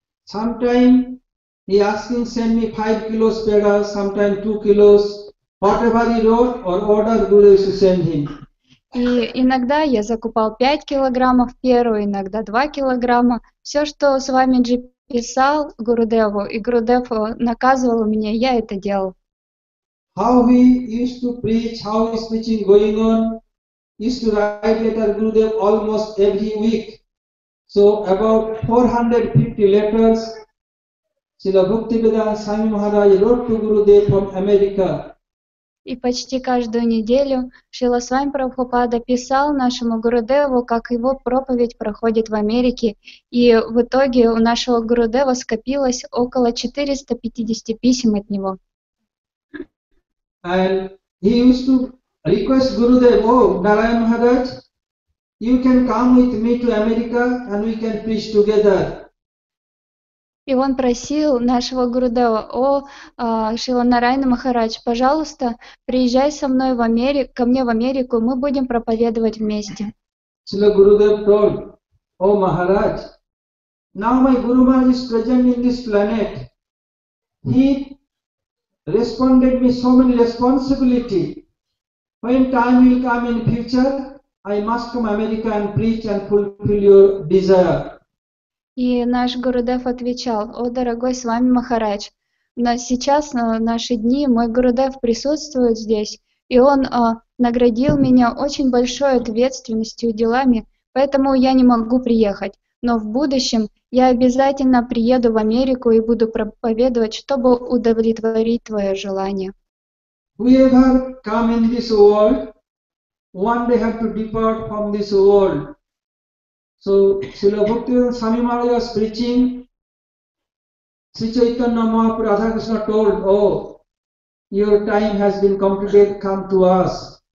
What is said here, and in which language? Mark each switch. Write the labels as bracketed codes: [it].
[en] Sometimes he asking send me 5 kilos Peda, sometimes 2 kilos, whatever he wrote or order Gurudev to send him. [ru] И иногда я закупал 5 килограммов Перу, иногда 2 килограмма, все, что с вами джип. Писал Гурудеву, и Гурудев наказывал меня, я это делал. [en] How he used to preach, how his preaching going on, used to write letter Gurudev almost every week. So about 450 letters, Srila Bhaktivedanta Swami Maharaj wrote to Gurudev from America. [ru] И почти каждую неделю Шрила Свами Прабхупада писал нашему Гурудеву, как его проповедь проходит в Америке. И в итоге у нашего Гурудева скопилось около 450 писем от него. [en] And he used to request Gurudev, oh, Narayan Maharaj, you can come with me to America and we can preach together. [ru] И он просил нашего Гурудева: «О, Шрила Нарайана Махарадж, пожалуйста, приезжай со мной в Америку, ко мне в Америку, мы будем проповедовать вместе». [en] Шрила Гурудев told, «О, Махарадж, now my Guru Maharaj is present in this planet. He responded me so many responsibility. When time will come in future, I must come to America and preach and fulfill your desire». [ru] И наш Гурудев отвечал: «О, дорогой Свами Махарадж, на сейчас, на наши дни, мой Гурудев присутствует здесь, и он наградил меня очень большой ответственностью и делами, поэтому я не могу приехать. Но в будущем я обязательно приеду в Америку и буду проповедовать, чтобы удовлетворить твое желание». [en] We have come in this world, one day have to depart from this world. So Srila Bhaktivedanta Swami Maharaj was preaching. Sri Chaitanya Mahaprabhu Radha Krishna told, oh, your time has been completed, come to us.